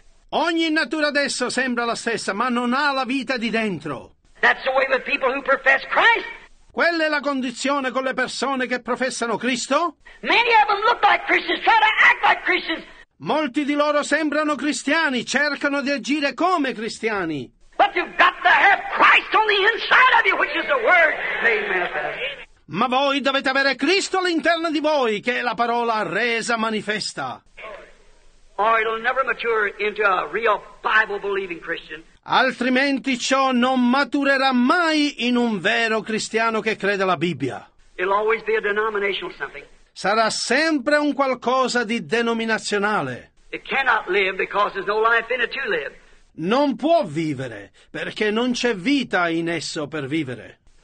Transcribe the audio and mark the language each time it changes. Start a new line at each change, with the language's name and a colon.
Italian: Ogni natura adesso sembra la stessa, ma non ha la vita di dentro.
English: That's the way with people who profess Christ.
Italian: Quella è la condizione con le persone che professano Cristo.
English: Many of them look like Christians, try to act like Christians.
Italian: Molti di loro sembrano cristiani, cercano di agire come cristiani.
English: But you've got to have Christ on the inside of you, which is the word made manifest.
Italian: Ma voi dovete avere Cristo all'interno di voi, che è la parola resa manifesta.
English: Or it'll never mature into a real Bible-believing Christian.
Italian: Altrimenti ciò non maturerà mai in un vero cristiano che crede alla Bibbia.
English: It'll always be a denominational something.
Italian: Sarà sempre un qualcosa di denominazionale.
English: It cannot live because there's no life in it to live.
Italian: Non può vivere, perché non c'è vita in esso per vivere.